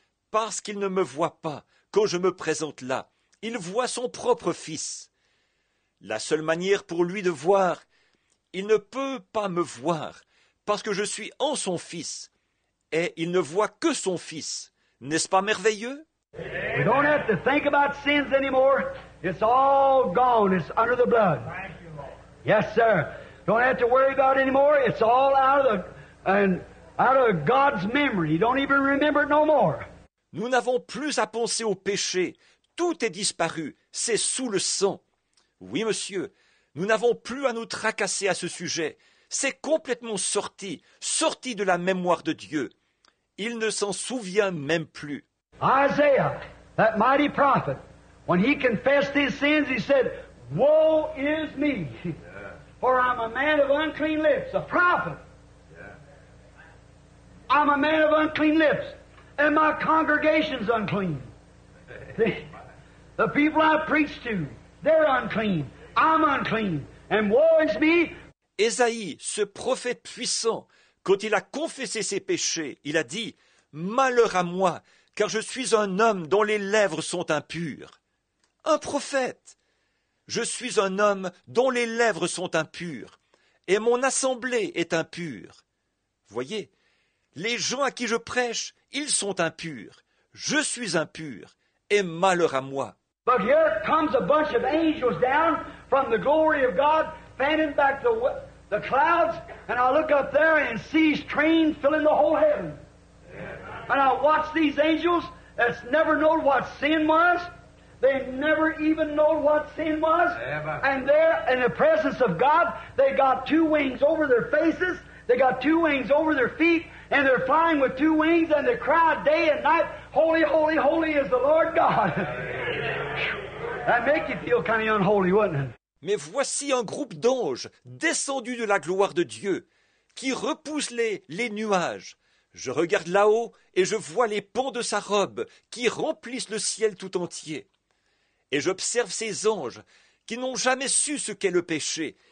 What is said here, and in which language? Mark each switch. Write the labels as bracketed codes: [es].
[fr] Parce qu'il ne me voit pas quand je me présente là. Il voit son propre fils. La seule manière pour lui de voir, il ne peut pas me voir parce que je suis en son fils. Et il ne voit que son fils. N'est-ce pas merveilleux? [en] We don't have to think about sins anymore. It's all gone. It's under the blood. Yes, sir. Don't have to worry about it anymore. It's all out of God's memory. You don't even remember it no more. [fr] Nous n'avons plus à penser au péché. Tout est disparu. C'est sous le sang. Oui, monsieur, nous n'avons plus à nous tracasser à ce sujet. C'est complètement sorti, sorti de la mémoire de Dieu. Il ne s'en souvient même plus. [en] Isaiah, that mighty prophet, when he confessed his sins, he said, Woe is me, for I'm a man of unclean lips, a prophet. I'm a man of unclean lips. And my congregation's unclean. The people I preach to, they're unclean. I'm unclean. And woe is me. [fr] Ésaïe, ce prophète puissant, quand il a confessé ses péchés, il a dit, Malheur à moi, car je suis un homme dont les lèvres sont impures. Un prophète. Je suis un homme dont les lèvres sont impures. Et mon assemblée est impure. Voyez, les gens à qui je prêche, ils sont impurs. Je suis impur. Et malheur à moi. [en] But here comes a bunch of angels down from the glory of God, fanning back the clouds, and I look up there and see trains filling the whole heaven. And I watch these angels that's never known what sin was. They never even know what sin was. And there, in the presence of God, they got two wings over their faces, They got two wings over their feet, and they're flying with two wings, and they cry day and night, "Holy, holy, holy is the Lord God." That'd make you feel kind of unholy, wouldn't it? [fr] Mais voici un groupe d'anges descendus de la gloire de Dieu qui repousse les nuages. Je regarde là-haut et je vois les pans de sa robe qui remplissent le ciel tout entier. Et j'observe ces anges qui n'ont jamais su ce qu'est le péché.